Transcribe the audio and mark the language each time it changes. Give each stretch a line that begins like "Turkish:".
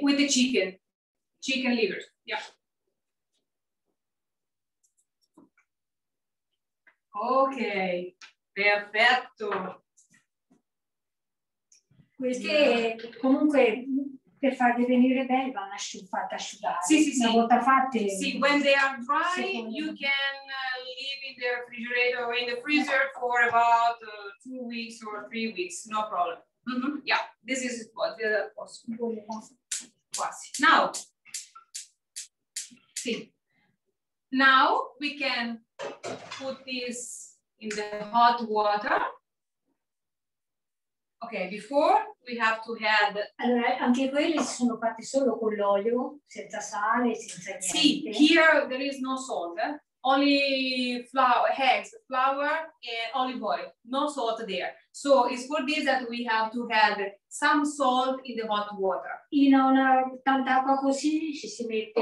English: With the chicken. Chicken liver, yeah.
Italian: Ok, perfetto. Queste comunque per farle venire belle vanno asciugate, asciugate. Sì, sì, sì. Una volta fatte.
English: Sì, when they are dry, you can leave in the refrigerator or in the freezer for about 2 weeks or 3 weeks, no problem. Mm-hmm. Yeah, this is what is possible. Quasi. Now, sì. Now we can put this in the hot water. Okay, before we have to add.
Italian: Allora, anche quelle si sono fatte solo con l'olio, senza sale, senza niente.
English: Sì, here there is no salt, only flour, eggs, flour and olive oil, no salt there. So it's for this that we have to add some salt in the hot water.
Italian: In una tanta acqua così ci si mette.